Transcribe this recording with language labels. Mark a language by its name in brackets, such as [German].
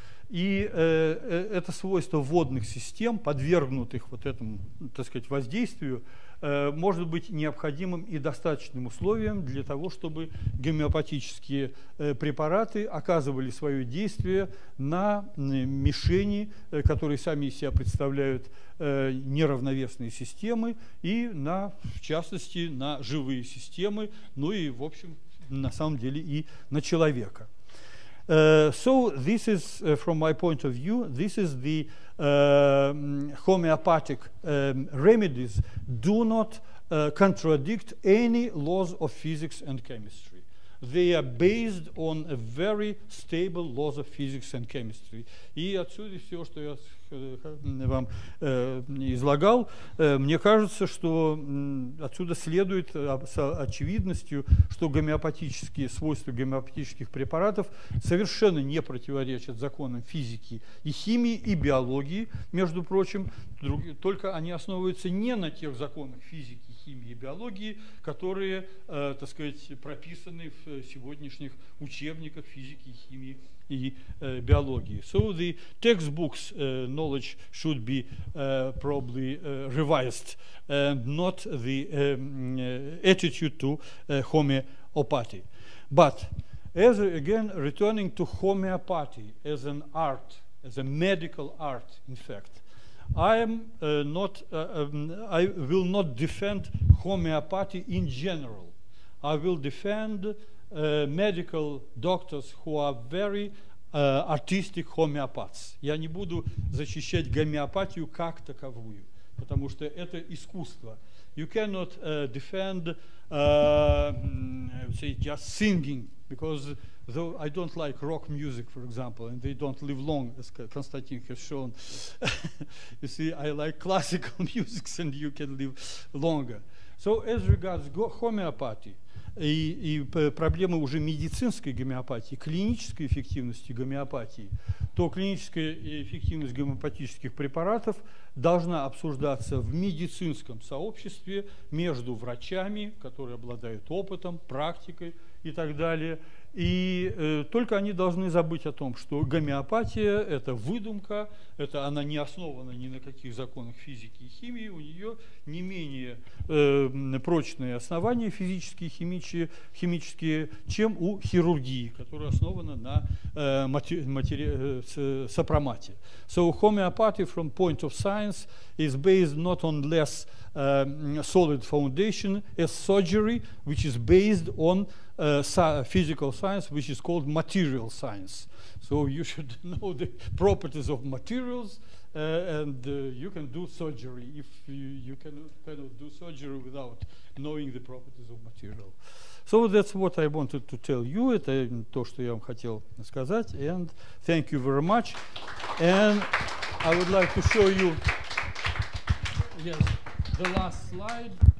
[Russian] И это свойство водных систем, подвергнутых вот этому, так сказать, воздействию, может быть необходимым и достаточным условием для того, чтобы гомеопатические препараты оказывали свое действие на мишени, которые сами из себя представляют неравновесные системы, и на, в частности, на живые системы, ну и, в общем, на самом деле и на человека. [English] So this is, from my point of view, this is the homeopathic remedies do not contradict any laws of physics and chemistry. They are based on a very stable laws of physics and chemistry. [Russian] И отсюда все, что я вам излагал, мне кажется, что отсюда следует с очевидностью, что гомеопатические свойства гомеопатических препаратов совершенно не противоречат законам физики и химии и биологии, между прочим, только они основываются не на тех законах физики, химии и биологии, которые, так сказать, прописаны в сегодняшних учебниках физики и химии и биологии. [English] So the textbooks knowledge should be probably revised, not the attitude to homeopathy. But as again returning to homeopathy as an art, as a medical art, in fact, I am not. I will not defend homeopathy in general. I will defend medical doctors who are very artistic homeopaths. [Russian] Я не буду защищать гомеопатию как таковую, потому что это искусство. [English] You cannot defend say just singing, because though I don't like rock music, for example, and they don't live long, as Konstantin has shown. You see, I like classical music, and you can live longer. So as regards homeopathy, [Russian] и проблемы уже медицинской гомеопатии, клинической эффективности гомеопатии, то клиническая эффективность гомеопатических препаратов должна обсуждаться в медицинском сообществе между врачами, которые обладают опытом, практикой и так далее. И только они должны забыть о том, что гомеопатия – это выдумка, это она не основана ни на каких законах физики и химии, у нее не менее прочные основания физические и химические, чем у хирургии, которая основана на сопромате. [English] So homeopathy from point of science is based not on less solid foundation as surgery, which is based on physical science, which is called material science. So you should know the properties of materials, and you can do surgery if you cannot do surgery without knowing the properties of material. So that's what I wanted to tell you. [Russian] Это то, что я вам хотел сказать. [English] And thank you very much. And I would like to show you, yes, the last slide.